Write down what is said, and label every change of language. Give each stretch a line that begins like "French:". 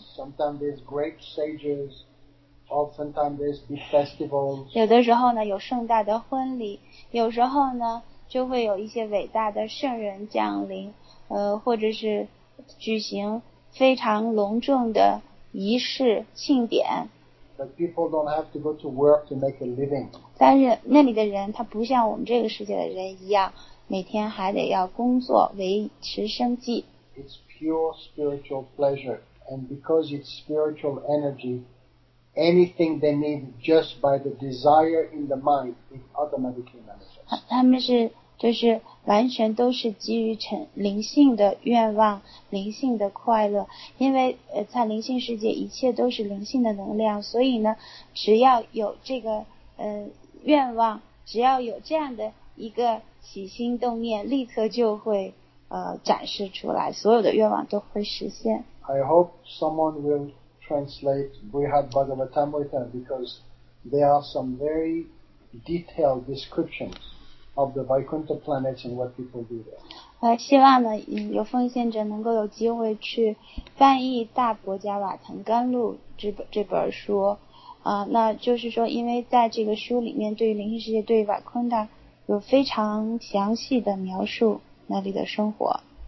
English: Sometimes there's great sages, oftentimes there's big festivals.
Chinese: 有的时候呢，有盛大的婚礼，有时候呢。就会有一些伟大的圣人降临，或者是举行非常隆重的仪式庆典。
English: But people don't have to go to work to make a living.
Chinese: 但是那里的人，他不像我们这个世界的人一样，每天还得要工作维持生计。
English: It's pure spiritual pleasure, and because it's spiritual energy, anything they need just by the desire in the mind, it automatically manifests.
Chinese: 他们是就是完全都是基于灵性的愿望，灵性的快乐，因为在灵性世界一切都是灵性的能量，所以呢，只要有这个愿望，只要有这样的一个起心动念，立刻就会展示出来，所有的愿望都会实现。
English: I hope someone will translate Brihad Bhagavatamrita because there are some very detailed descriptions. Of the Vaikuntha planets and what people do there.
Chinese: 希望呢，有奉献者能够有机会去翻译《大博迦瓦坛甘露》这本书，那就是说，因为在这个书里面，对于灵性世界，对于Vaikuntha有非常详细的描述，那里的生活。